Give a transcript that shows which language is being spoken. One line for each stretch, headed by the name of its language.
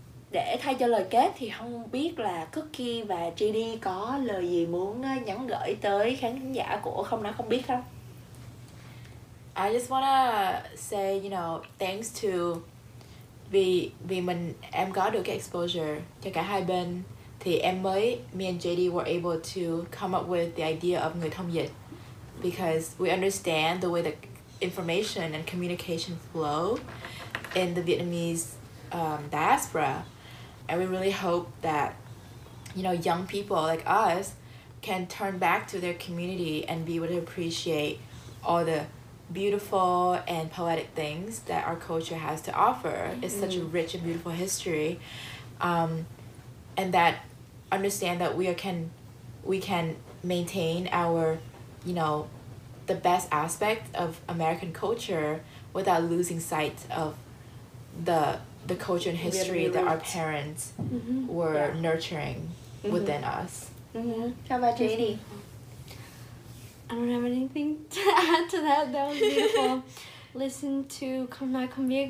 Vietnamese: Để thay cho lời kết thì không biết là Cookie và JD có lời gì muốn nhắn gửi tới khán giả của Không Nói Không Biết không? I just wanna say, you know, thanks to vì mình em có được cái exposure cho cả hai bên.
English: Thì me and JD were able to come up with the idea of người thông dịch, because we understand the way the information and communication flow in the Vietnamese diaspora, and we really hope that, you know, young people like us can turn back to their community and be able to appreciate all the beautiful and poetic things that our culture has to offer. It's such a rich and beautiful history, and that understand that we can maintain our, you know, the best aspect of American culture without losing sight of the culture and history that our parents were nurturing within us. How about JD? I don't have anything to add to that. That was beautiful. Listen to Come Nói Không Biết.